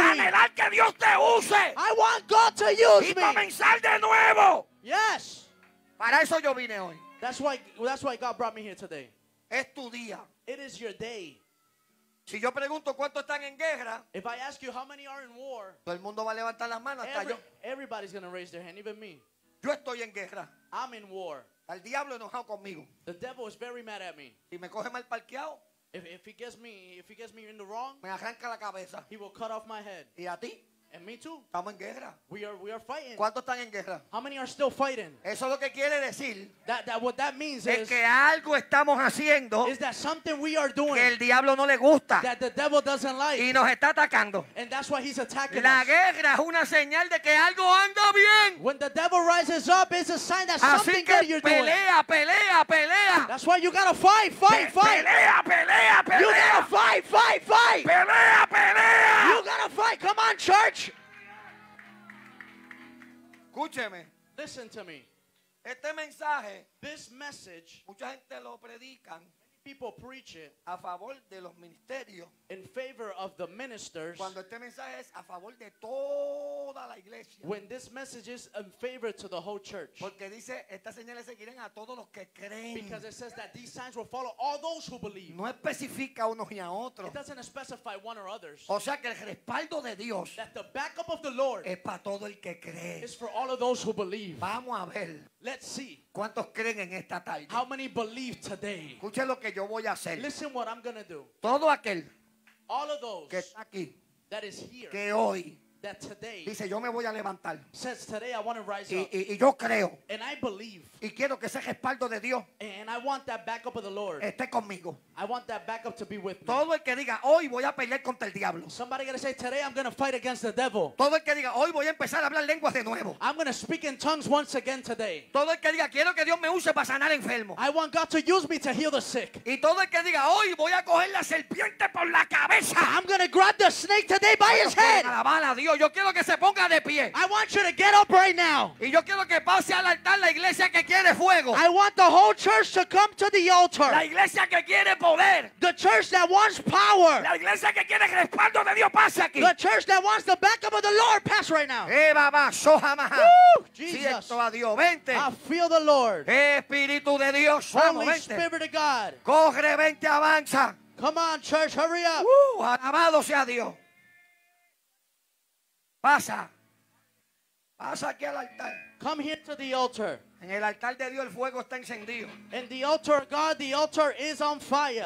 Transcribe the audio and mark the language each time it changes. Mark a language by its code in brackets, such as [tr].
[es] anhelar que Dios te use, [en] I want God to use [es] me, y comenzar de nuevo. [en] Yes, [es] para eso yo vine hoy. [en] That's why God brought me here today. [es] Es tu día. [en] It is your day. [es] Si yo pregunto cuántos están en guerra, [en] if I ask you how many are in war, [es] todo el mundo va a levantar las manos, hasta yo. [en] Everybody's gonna raise their hand, even me. [es] Yo estoy en guerra. [en] I'm in war. [es] El diablo enojado conmigo. [en] The devil is very mad at me. [es] Y me coge mal parqueado. [en] If he gets me in the wrong, [es] me arranca la cabeza. [en] He will cut off my head. [es] Y a ti. [en] And me too. [es] Estamos en guerra. [en] We are fighting. [es] ¿Cuántos están en guerra? [en] How many are still fighting? [es] Eso es lo que quiere decir. [en] That what that means [es] es que algo estamos haciendo. [en] Is that something we are doing? [es] Que el diablo no le gusta. [en] That the devil doesn't like. [es] Y nos está atacando. [en] And that's why he's attacking [es] la [en] us. [es] La guerra es una señal de que algo anda bien. [en] When the devil rises up, it's a sign that something good you're [es] pelea, Así que pelea, pelea. [en] That's why you gotta fight. [es] Pelea, pelea, pelea. [en] You gotta fight. [es] Pelea, pelea. [en] You gotta fight. Come on, church. [es] Escúcheme. [en] Listen to me. [es] Este mensaje, [en] this message, [es] mucha gente lo predican, [en] many people preach it, [es] a favor de los ministerios, [en] in favor of the ministers, [es] cuando este mensaje es a favor de toda la iglesia, [en] when this message is in favor to the whole church, [es] porque dice estas señales seguirán a todos los que creen, [en] because it says that these signs will follow all those who believe. [es] No especifica unos y a otros, [en] it doesn't specify one or others. [es] O sea que el respaldo de Dios, [en] that the backup of the Lord, [es] es para todo el que cree, [en] is for all of those who believe. [es] Vamos a ver. [en] Let's see. [es] ¿Cuántos creen en esta tarde? [en] How many believe today? [es] Escuche lo que yo voy a hacer. [en] Listen what I'm gonna do. [es] Todo aquel, [en] all of those, [es] que está aquí, [en] that is here, [es] que hoy, [en] that today, [es] dice yo me voy a levantar, [en] says today I want to rise [es] y, [en] up, [es] y yo creo, [en] and I believe, [es] y quiero que ese respaldo de Dios, [en] and I want that backup of the Lord, [es] esté conmigo. [en] I want that backup to be with me. [es] Todo el que diga hoy voy a pelear contra el diablo. [en] Somebody gonna say today I'm gonna fight against the devil. [es] Todo el que diga hoy voy a empezar a hablar lenguas de nuevo. [en] I'm gonna speak in tongues once again today. [es] Todo el que diga quiero que Dios me use para sanar enfermos. [en] I want God to use me to heal the sick. [es] Y todo el que diga hoy voy a coger la serpiente por la cabeza. [en] I'm gonna grab the snake today by his head. [es] Alabar a Dios. Yo quiero que se ponga de pie. [en] I want you to get up right now. [es] Y yo quiero que pase al altar la iglesia que quiere fuego. [en] I want the whole church to come to the altar. [es] La iglesia que quiere, [en] the church that wants power. [es] La iglesia que quiere el respaldo de Dios, pase aquí. [en] The church that wants the backup of the Lord, pass right now. Eva, ma, so, Jesus. [es] A Dios. Vente. [en] I feel the Lord. [es] Espíritu de Dios. [en] Holy [es] vamos, vente. [en] Spirit of God. [es] Corre, vente, avanza. [en] Come on, church, hurry up. [es] Woo, alabado sea Dios. Pasa. Pasa aquí al altar. [en] Come here to the altar. [es] En el altar de Dios el fuego está encendido. [en] In the altar of God, the altar is on fire.